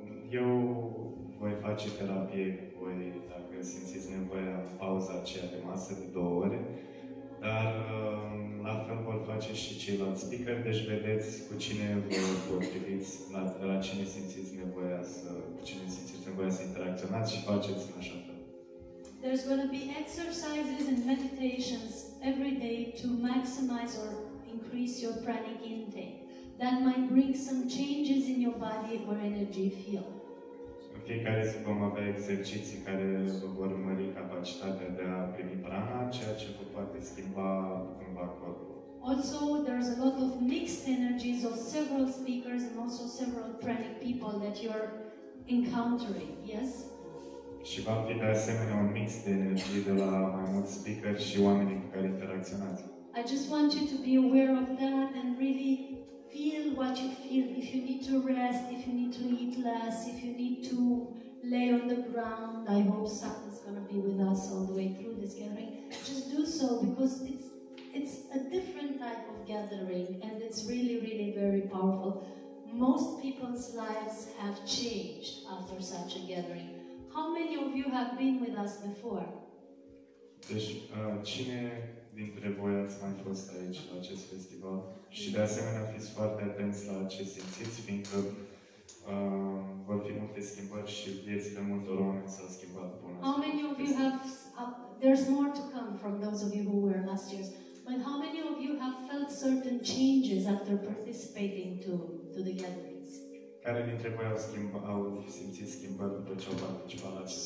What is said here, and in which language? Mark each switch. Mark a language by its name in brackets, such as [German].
[Romanian] Eu voi face terapie cu voi dacă simțiți nevoia în pauza aceea de masă de 2 ore. Dar la fel vor face și ceilalți speaker, deci vedeți cu cine vă potriviți, la cine simțiți nevoia să, cu cine simțiți nevoia să interacționați și faceți în așa fel. [English] There's going to be exercises and meditations every day to maximize or increase your pranic intake. That might bring some changes in your body or energy field. [Romanian] Fiecare zi vom avea exerciții care vor mări capacitatea de a primi prana, ceea ce vă poate schimba cumva corpul. [English] Also, there's a lot of mixed energies of several speakers and also several pranic people that you're encountering, yes? [Romanian] Și va fi de asemenea un mix de energie de la mai mulți speakers și oamenii cu care interacționați. [English] I just want you to be aware of that and really feel what you feel, if you need to rest, if you need to eat less, if you need to lay on the ground. I hope something's going to be with us all the way through this gathering. Just do so, because it's a different type of gathering, and it's really, really very powerful. Most people's lives have changed after such a gathering. How many of you have been with us before? [Romanian] Cine dintre voi ați mai fost aici la acest festival? Și de asemenea fiți foarte atenți la ce simțiți, fiindcă vor fi multe schimbări și viețile multor oameni s-au schimbat până. [English] How many of you have there's more to come from those of you who were last year's, but how many of you have felt certain changes after participating to the gatherings? [Romanian] Care dintre voi au simțit schimbări după ce au participat la acest?